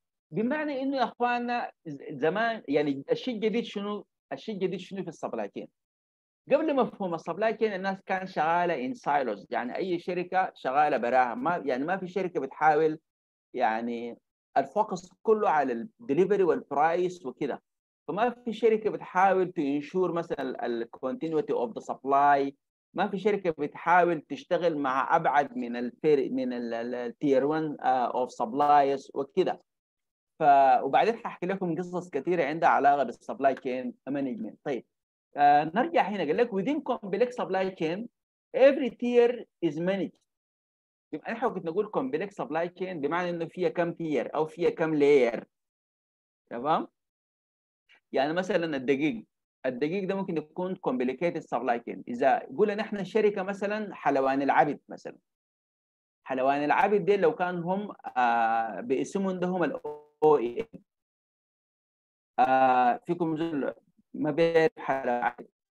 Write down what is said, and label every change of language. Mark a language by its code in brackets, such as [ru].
[ar] بمعنى انه يا اخواننا زمان يعني الشيء الجديد شنو في السبلاي تشين؟ قبل مفهوم السبلاي تشين الناس كان شغاله ان سايلوز، يعني اي شركه شغاله براها، ما يعني ما في شركه بتحاول يعني الفوكس كله على الدليفري والبرايس وكده، فما في شركه بتحاول تنشور مثلا [en] الكونتينيوتي of the supply, [ar] ما في شركه بتحاول تشتغل مع ابعد من التير 1 اوف سبلايز وكده. وبعدين هحكي لكم قصص كثيره عندها علاقه بالسبلاي تشين مانجمنت. طيب نرجع هنا، قال لك [en] within complex supply chain every tier is managed. [ar] يبقى نحن كنا نقول [en] complex supply chain [ar] بمعنى انه فيها كم tier او فيها كم layer. تمام؟ يعني مثلا الدقيق، الدقيق ده ممكن يكون [en] complicated supply chain. [ar] إذا قلنا إحنا شركة مثلا حلواني العبد مثلا، حلواني العبد دي لو كان هم باسمهم ده هم الـ OEM، فيكم زول ما بيعرف حلواني العبد.